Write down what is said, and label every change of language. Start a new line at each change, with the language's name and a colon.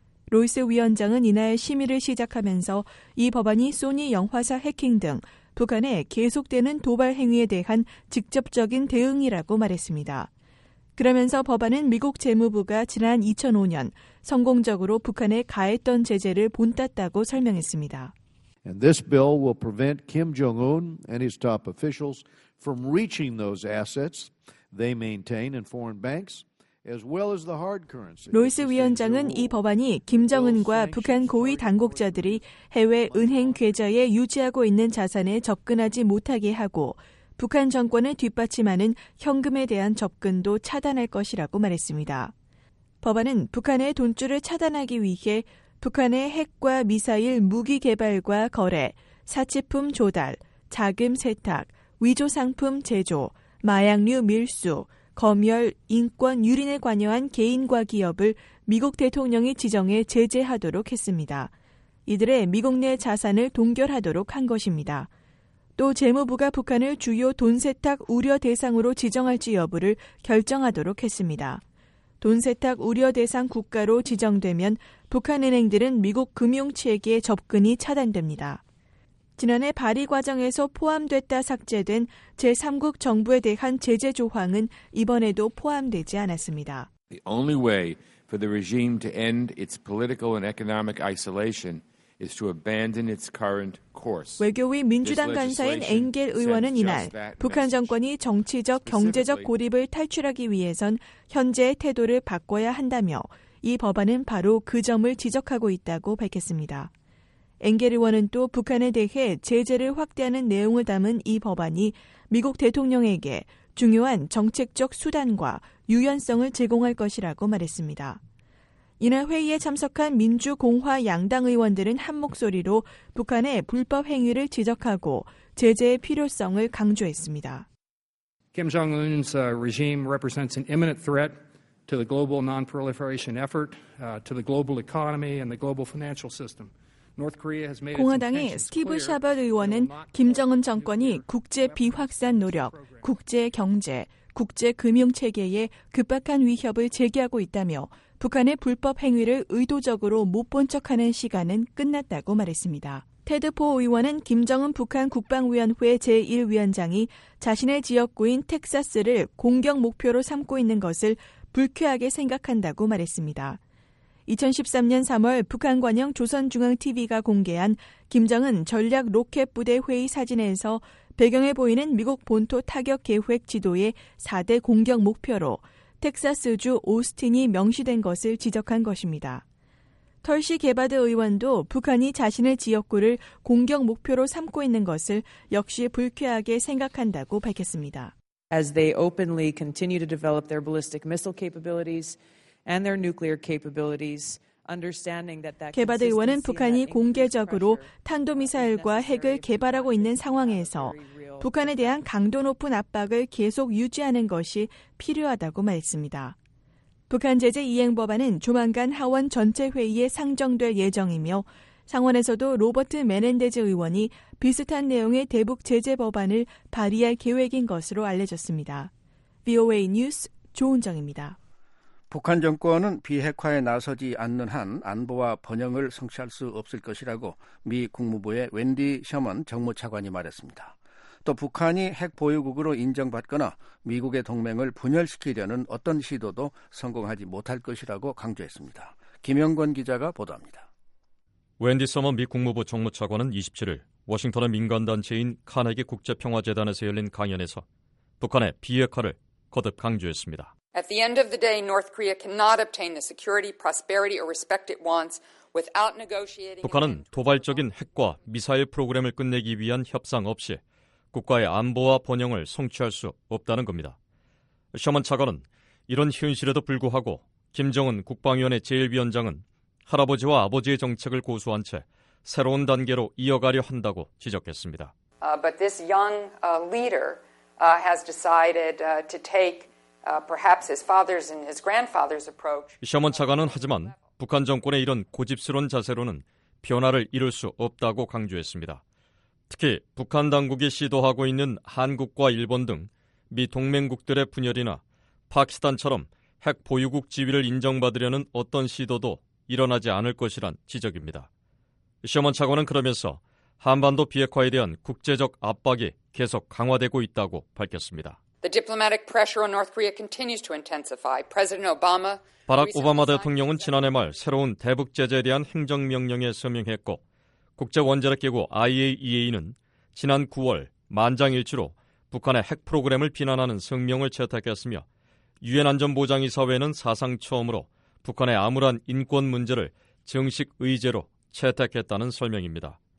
Korean: 로이스 위원장은 이날 심의를 시작하면서 이 법안이 소니 영화사 해킹 등 북한의 계속되는 도발 행위에 대한 직접적인 대응이라고 말했습니다. 그러면서 법안은 미국 재무부가 지난 2005년 성공적으로 북한에 가했던 제재를 본땄다고 설명했습니다.
English: And this bill will prevent Kim Jong-un and his top officials from reaching those assets they maintain in foreign banks.
Korean: 로이스 위원장은 이 법안이 김정은과 북한 고위 당국자들이 해외 은행 계좌에 유지하고 있는 자산에 접근하지 못하게 하고 북한 정권을 뒷받침하는 현금에 대한 접근도 차단할 것이라고 말했습니다. 법안은 북한의 돈줄을 차단하기 위해 북한의 핵과 미사일 무기 개발과 거래, 사치품 조달, 자금 세탁, 위조 상품 제조, 마약류 밀수, 검열, 인권, 유린에 관여한 개인과 기업을 미국 대통령이 지정해 제재하도록 했습니다. 이들의 미국 내 자산을 동결하도록 한 것입니다. 또 재무부가 북한을 주요 돈세탁 우려 대상으로 지정할지 여부를 결정하도록 했습니다. 돈세탁 우려 대상 국가로 지정되면 북한 은행들은 미국 금융체계에 접근이 차단됩니다. 지난해 발의 과정에서 포함됐다 삭제된 제3국 정부에 대한 제재 조항은 이번에도 포함되지 않았습니다.
English: The only way for the regime to end its political and economic isolation is to abandon its current course.
Korean: 외교위 민주당 간사인 앵겔 의원은 이날 북한 정권이 정치적 경제적 고립을 탈출하기 위해선 현재의 태도를 바꿔야 한다며 이 법안은 바로 그 점을 지적하고 있다고 밝혔습니다. 앵겔 의원은 또 북한에 대해 제재를 확대하는 내용을 담은 이 법안이 미국 대통령에게 중요한 정책적 수단과 유연성을 제공할 것이라고 말했습니다. 이날 회의에 참석한 민주공화 양당 의원들은 한 목소리로 북한의 불법 행위를 지적하고 제재의 필요성을 강조했습니다.
English: Kim Jong-un's regime represents an imminent threat to the global non-proliferation effort, to the global economy and the global financial system.
Korean: 공화당의 스티브 샤벳 의원은 김정은 정권이 국제 비확산 노력, 국제 경제, 국제 금융 체계에 급박한 위협을 제기하고 있다며 북한의 불법 행위를 의도적으로 못 본 척하는 시간은 끝났다고 말했습니다. 테드 포 의원은 김정은 북한 국방위원회 제1위원장이 자신의 지역구인 텍사스를 공격 목표로 삼고 있는 것을 불쾌하게 생각한다고 말했습니다. 2013년 3월 북한 관영 조선중앙TV가 공개한 김정은 전략 로켓 부대 회의 사진에서 배경에 보이는 미국 본토 타격 계획 지도의 4대 공격 목표로 텍사스주 오스틴이 명시된 것을 지적한 것입니다. 털시 게바드 의원도 북한이 자신의 지역구를 공격 목표로 삼고 있는 것을 역시 불쾌하게 생각한다고 밝혔습니다.
English: As they openly continue to develop their ballistic missile capabilities, and their nuclear capabilities, understanding that that
Korean: 게바드 의원은 북한이 공개적으로 탄도미사일과 핵을 개발하고 있는 상황에서 북한에 대한 강도 높은 압박을 계속 유지하는 것이 필요하다고 말했습니다. 북한 제재 이행 법안은 조만간 하원 전체 회의에 상정될 예정이며 상원에서도 로버트 메넨데즈 의원이 비슷한 내용의 대북 제재 법안을 발의할 계획인 것으로 알려졌습니다. VOA 뉴스 조은정입니다. 북한 정권은 비핵화에 나서지 않는 한 안보와 번영을 성취할 수 없을 것이라고 미 국무부의 웬디 셔먼 정무차관이 말했습니다. 또 북한이 핵 보유국으로 인정받거나 미국의 동맹을 분열시키려는 어떤 시도도 성공하지 못할 것이라고 강조했습니다. 김영권 기자가 보도합니다. 웬디 셔먼 미 국무부 정무차관은 27일 워싱턴의 민간단체인 카네기 국제평화재단에서 열린 강연에서 북한의 비핵화를 거듭 강조했습니다.
English: At the end of the day, North Korea cannot obtain the security, prosperity, or respect it wants without negotiating.
Korean: 북한은 도발적인 핵과 미사일 프로그램을 끝내기 위한 협상 없이 국가의 안보와 번영을 성취할 수 없다는 겁니다. 셔먼 차관은 이런 현실에도 불구하고 김정은 국방위원회 제1위원장은 할아버지와 아버지의 정책을 고수한 채 새로운 단계로 이어가려 한다고 지적했습니다.
English: But this young leader has decided to take. Perhaps his father's and his grandfather's approach.
Korean: 셔먼 차관은 하지만 북한 정권의 이런 고집스러운 자세로는 변화를 이룰 수 없다고 강조했습니다. 특히 북한 당국이 시도하고 있는 한국과 일본 등 미 동맹국들의 분열이나 파키스탄처럼 핵 보유국 지위를 인정받으려는 어떤 시도도 일어나지 않을 것이란 지적입니다. 셔먼 차관은 그러면서 한반도 비핵화에 대한 국제적 압박이 계속 강화되고 있다고 밝혔습니다.
English: The diplomatic pressure on North Korea continues to intensify. President Obama,
Korean: 바락 오바마 대통령은 지난해 말 새로운 대북 제재에 대한 행정 명령에 서명했고, 국제 원자력 기구 IAEA는 지난 9월 만장일치로 북한의 핵 프로그램을 비난하는 성명을 채택했으며, 유엔 안전보장이사회는 사상 처음으로 북한의 암울한 인권 문제를 정식 의제로 채택했다는 설명입니다.